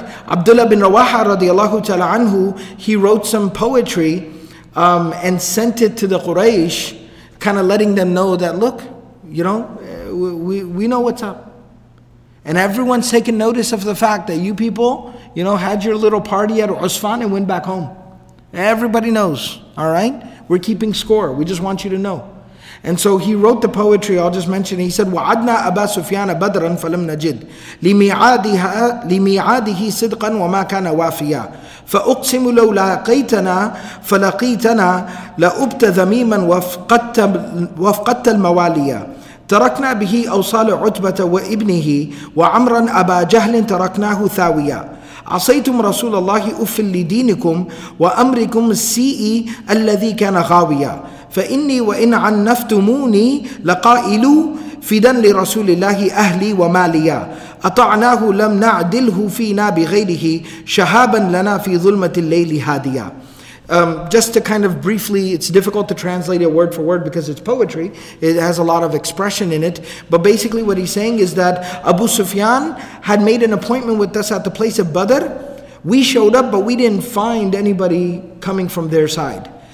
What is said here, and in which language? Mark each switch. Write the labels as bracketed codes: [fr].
[en] Abdullah bin Rawaha radiallahu ta'ala anhu, he wrote some poetry and sent it to the Quraysh, kind of letting them know that, look, you know, we know what's up. And everyone's taken notice of the fact that you people, you know, had your little party at Usfan and went back home. Everybody knows, all right? We're keeping score. We just want you to know. And so he wrote the poetry, I'll just mention it. He said, [ar] وَعَدْنَا أَبَا سُفْيَانَ بَدْرًا فَلَمْ نَجِدْ لِمِيعَادِهِ صِدْقًا وَمَا كَانَ وَافِيًا فَأُقْسِمُ لَوْ لَقَيْتَنَا فَلَقِيتَنَا لَأُبْتَ ذَمِيمًا وَفْقَدْتَ الْمَوَالِيَا تركنا به أوصال عتبة وابنه وعمرا أبا جهل تركناه ثاويا عصيتم رسول الله أف لدينكم وأمركم السيء الذي كان غاويا فإني وإن عنفتموني لقائل فدا لرسول الله أهلي وماليا أطعناه لم نعدله فينا بغيره شهابا لنا في ظلمة الليل هاديا. [en] Just to kind of briefly, it's difficult to translate it word for word because it's poetry. It has a lot of expression in it. But basically what he's saying is that Abu Sufyan had made an appointment with us at the place of Badr. We showed up, but we didn't find anybody coming from their side.